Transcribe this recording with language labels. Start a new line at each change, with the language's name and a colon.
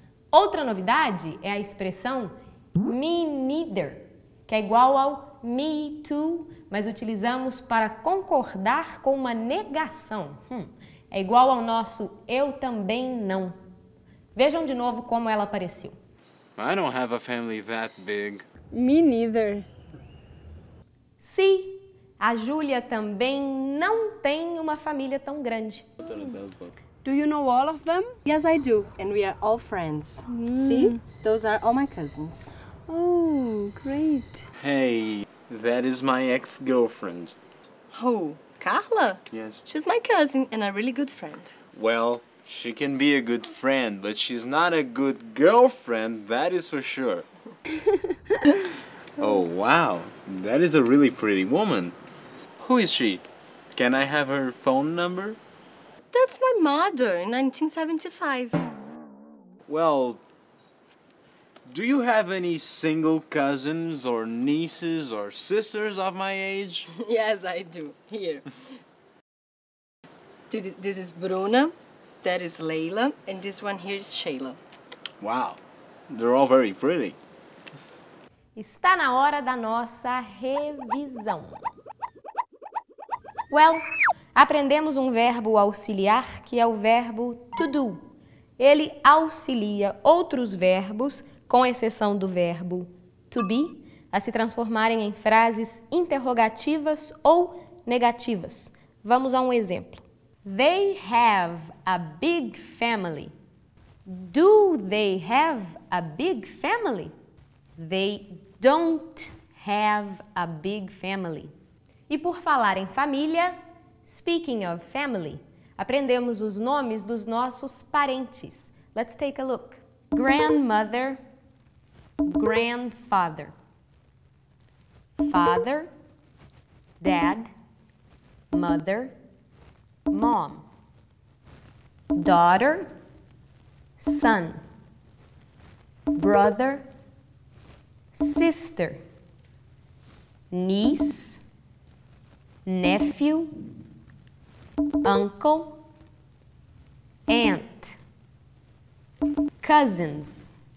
Portuguese: Outra novidade é a expressão me neither, que é igual ao me too, mas utilizamos para concordar com uma negação. É igual ao nosso eu também não. Vejam de novo como ela apareceu.
English: I don't have a family that big. Me neither.
Portuguese: Sim, a Júlia também não tem uma família tão grande.
English: Do you know all of them? Yes, I do. And we are all friends. See? Those are all my cousins. Oh, great. Hey, that is my ex-girlfriend. Who? Carla? Yes. She's my cousin and a really good friend. Well, she can be a good friend, but she's not a good girlfriend, that is for sure. Oh, wow. That is a really pretty woman. Who is she? Can I have her phone number? That's my mother, in 1975. Well, do you have any single cousins or nieces or sisters of my age? Yes, I do. Here. This is Bruna. That is Leila, and this one here is Sheila. Wow, they're all very pretty.
Portuguese: Está na hora da nossa revisão. Well, aprendemos um verbo auxiliar que é o verbo to do. Ele auxilia outros verbos, com exceção do verbo to be, a se transformarem em frases interrogativas ou negativas. Vamos a um exemplo.
English: They have a big family. Do they have a big family? They don't have a big family.
Portuguese: E por falar em família,
English: speaking of family,
Portuguese: aprendemos os nomes dos nossos parentes.
English: Let's take a look. Grandmother, grandfather, father, dad, mother, mom, daughter, son, brother, sister, niece, nephew, uncle, aunt, cousins.